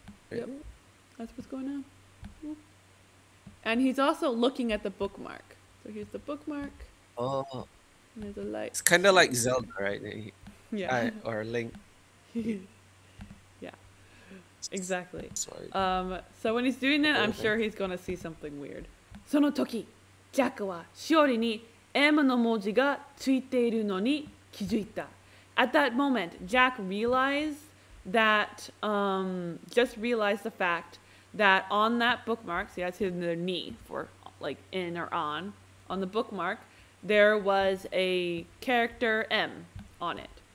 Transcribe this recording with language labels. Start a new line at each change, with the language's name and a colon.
English: Yep, that's what's going on. And he's also looking at the bookmark. So here's the bookmark. Oh. And there's a light. It's kind of like Zelda, right? Yeah. Or Link. Yeah. Exactly. Sorry. So when he's doing that, I'm sure he's going to see something weird.
Japanese: その時、ジャックはしおりに M の文字がついているのに気づいた。
English: At that moment, Jack realized that, just realized the fact that on that bookmark, see, that's in their knee for like in or on the bookmark, there was a character M on it.